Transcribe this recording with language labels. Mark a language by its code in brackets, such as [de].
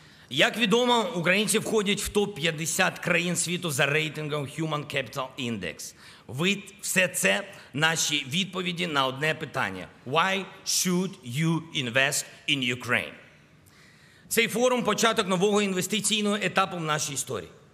[uk] Як відомо, українці входять в топ-50 країн світу за рейтингом Human Capital Index. Все це – наші відповіді на одне питання. [en] Why should you invest in Ukraine? [uk] Цей форум – початок нового інвестиційного етапу в нашій історії.